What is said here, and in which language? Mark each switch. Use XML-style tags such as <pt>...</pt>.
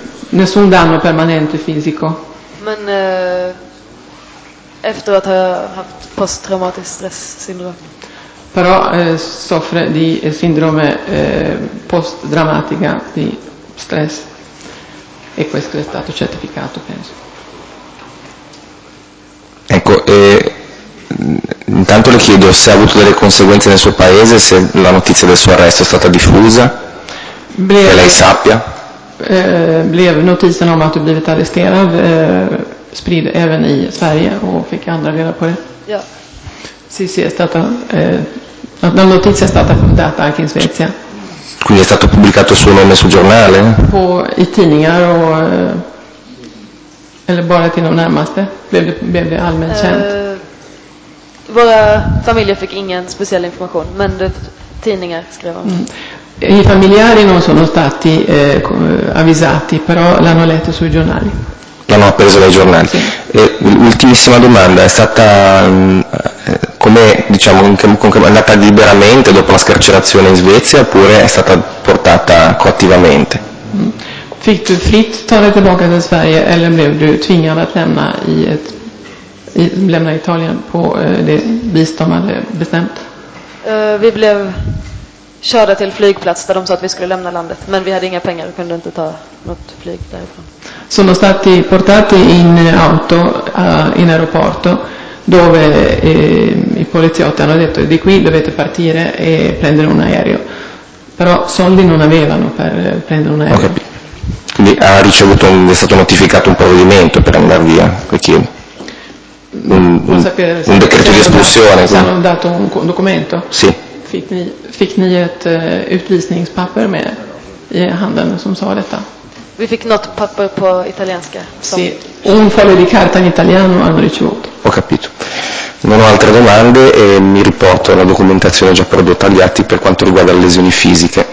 <it>nessun danno permanente fisico.</it> <sv>Men efteråt har jag haft posttraumatiskt stresssyndrom.</sv> <it>Però soffre di sindrome post-dramatica di stress e questo è stato certificato, penso. Ecco, intanto le chiedo se ha avuto delle conseguenze nel suo paese, se la notizia del suo arresto è stata diffusa, che lei sappia.</it> <sv>Blev notizia om att du blivit arresterad spridd även i Sverige och fick andra reda på det? Ja.</sv> <it>Sì, sì, è stata la notizia è stata data anche in Svezia. Quindi è stato pubblicato il suo nome sul giornale?</it> <sv>På i tidningar och eller bara till de närmaste. Blev det allmänt känt? Våra familjer fick ingen speciell information, men det tidningar skrev om.</sv> <it>I familjari non sono stati avvisati, però l'hanno letto sui giornali. l'hanno appreso dai giornali. Ultimissima domanda, è stata come, diciamo, è andata liberamente dopo la scarcerazione in Svezia oppure è stata portata coattivamente?</it> <sv>Fick du fritt ta dig tillbaka till Sverige eller blev du tvingad att lämna lämna Italien på det vis de hade bestämt? Vi blev körda till flygplats där de sa att vi skulle lämna landet, men vi hade inga pengar och kunde inte ta något flyg därifrån.</sv> <it>Sono stati portati in auto in aeroporto dove i poliziotti hanno detto di qui dovete partire e prendere un aereo. Però soldi non avevano per prendere un aereo. Okay. Quindi ha ricevuto è stato notificato un provvedimento per andare via, perché un decreto di espulsione. Ci hanno dato un documento? Sì.</it> <sv>Fick ni ett utvisningspapper med i handen som sa detta? Vi fick något papper på italienska.</sv> <it>Sì, un foglio di carta in italiano hanno ricevuto. Ho capito. Non ho altre domande e mi riporto alla documentazione già prodotta agli atti per quanto riguarda le lesioni fisiche.</it>